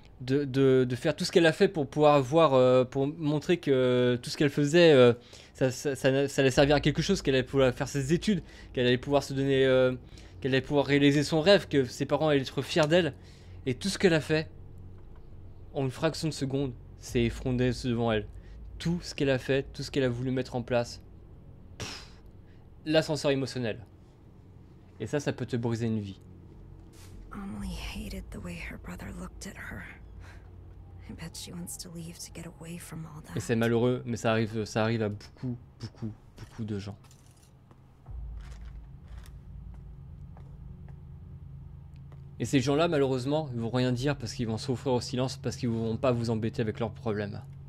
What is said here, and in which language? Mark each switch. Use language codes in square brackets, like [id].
[fr] De faire tout ce qu'elle a fait pour pouvoir avoir pour montrer que tout ce qu'elle faisait ça allait servir à quelque chose, qu'elle allait pouvoir faire ses études, qu'elle allait pouvoir se donner qu'elle allait pouvoir réaliser son rêve, que ses parents allaient être fiers d'elle, et tout ce qu'elle a fait en une fraction de seconde s'est effondré devant elle. Tout ce qu'elle a fait, tout ce qu'elle a voulu mettre en place, l'ascenseur émotionnel, et ça peut te briser une vie. [en] Emily hated the way her brother looked at her. I bet she wants to leave to get away from all that. [fr] Et c'est malheureux, mais ça arrive à beaucoup, beaucoup, beaucoup de gens. Et ces gens-là, malheureusement, ils vont rien dire parce qu'ils vont souffrir au silence, parce qu'ils vont pas vous embêter avec leurs problèmes.